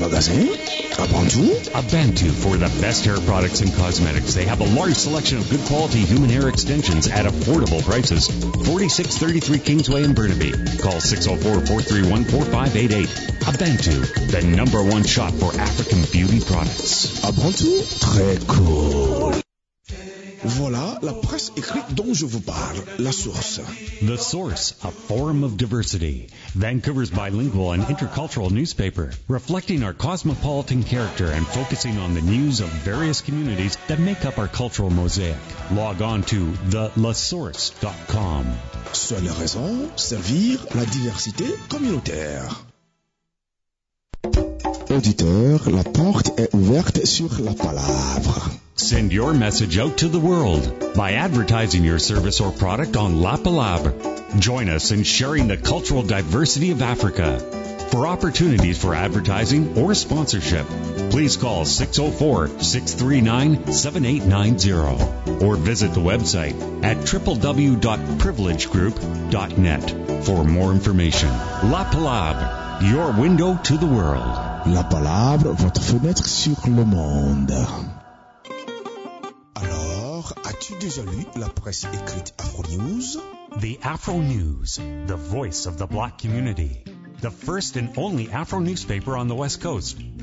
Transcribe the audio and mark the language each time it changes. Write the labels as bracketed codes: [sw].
[en] Bantu for the best hair products and cosmetics. They have a large selection of good quality human hair extensions at affordable prices. 4633 Kingsway in Burnaby. Call 604-431-4588. Abantu, the number one shop for African beauty products. [fr] Abantu, très cool. Voilà la presse écrite dont je vous parle, La Source. [en] The Source, a forum of diversity. Vancouver's bilingual and intercultural newspaper, reflecting our cosmopolitan character and focusing on the news of various communities that make up our cultural mosaic. Log on to thelasource.com. [fr] Seule raison, servir la diversité communautaire. Auditeur, la porte est ouverte sur la palabre. [en] Send your message out to the world by advertising your service or product on La Palabre. Join us in sharing the cultural diversity of Africa. For opportunities for advertising or sponsorship, please call 604-639-7890 or visit the website at www.privilegegroup.net for more information. La Palabre, your window to the world. [fr] La Palabre, votre fenêtre sur le monde. Alors, as-tu déjà lu la presse écrite Afro News? [en] The Afro News, the voice of the black community. The first and only Afro newspaper on the West Coast.